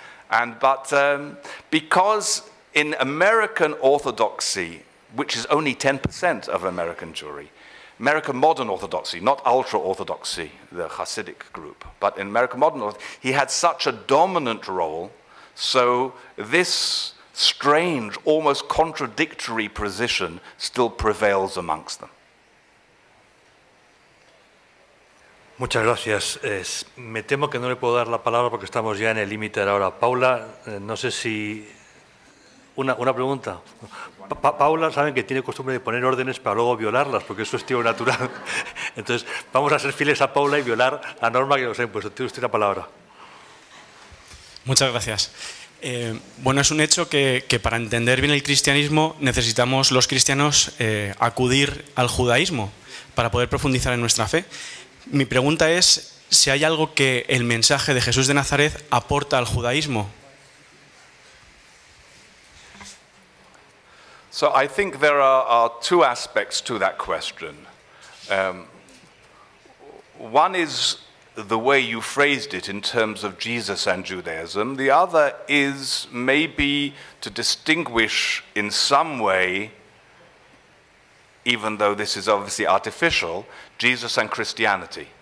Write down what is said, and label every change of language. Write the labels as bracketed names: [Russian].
[English] And because in American Orthodoxy, which is only 10% of American Jewry, American Modern Orthodoxy, not ultra-Orthodoxy, the Hasidic group, but in American Modern Orthodoxy, he had such a dominant role, so this strange, almost contradictory position still prevails amongst them. [Spanish] Muchas gracias. Me temo que no le puedo dar la palabra porque estamos ya en el límite de la hora. Paula, no sé si... Una pregunta. Paula, saben que tiene costumbre de poner órdenes para luego violarlas, porque es su estilo natural. Entonces, vamos a ser fieles a Paula y violar la norma que nos ha impuesto. Tiene usted la palabra. Muchas gracias. Es un hecho que para entender bien el cristianismo necesitamos los cristianos acudir al judaísmo para poder profundizar en nuestra fe. Mi pregunta es si hay algo que el mensaje de Jesús de Nazaret aporta al judaísmo. [English] So I think there are two aspects to that question. One is the way you phrased it in terms of Jesus and Judaism. The other is maybe to distinguish in some way, even though this is obviously artificial, Jesus and Christianity.